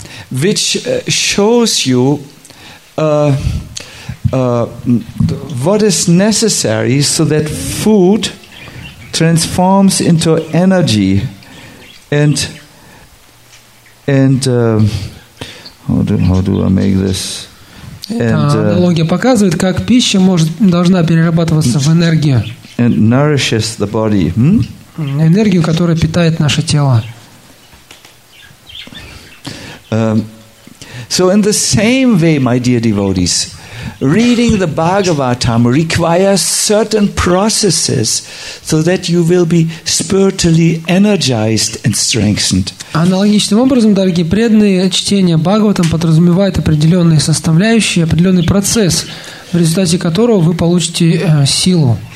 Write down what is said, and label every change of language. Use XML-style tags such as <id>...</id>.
<en>Which shows you what is necessary so that food transforms into energy and how do I make this?</en> <ru>Аналогия показывает, как пища должна перерабатываться в энергию.</ru> <en>And nourishes the body.</en> <ru>Энергию, которая питает наше тело.</ru> <en>So in the same way, my dear devotees, reading the Bhagavatam requires certain processes so that you will be spiritually energized and strengthened.</en> <ru>Аналогичным образом, дорогие преданные, чтение Бхагаватам подразумевает определенные составляющие, определенный процесс, в результате которого вы получите силу.</ru>